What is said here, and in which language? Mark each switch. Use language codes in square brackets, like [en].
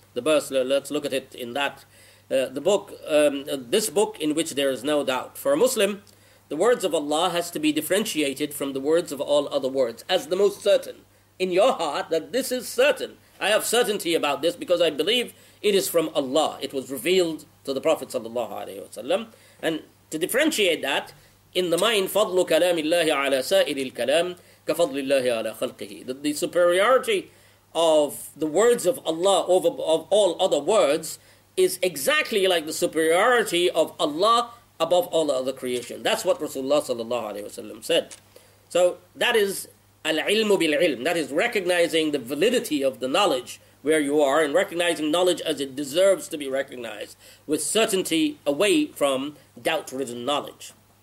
[en] The verse, let's look at it in that this book in which there is no doubt. For a Muslim, the words of Allah has to be differentiated from the words of all other words as the most certain. In your heart, that this is certain. I have certainty about this because I believe it is from Allah. It was revealed to the Prophet sallallahu alaihi wasallam. And to differentiate that, in the mind, [ar] فَضْلُ كَلَامِ اللَّهِ عَلَى سَائِرِ الْكَلَامِ كَفَضْلِ اللَّهِ عَلَى خَلْقِهِ. [en] The superiority of the words of Allah over of all other words is exactly like the superiority of Allah above all other creation. That's what Rasulullah sallallahu alaihi wasallam said. So that is al-ilmu bil-ilm. That is recognizing the validity of the knowledge where you are, and recognizing knowledge as it deserves to be recognized, with certainty away from doubt-ridden knowledge.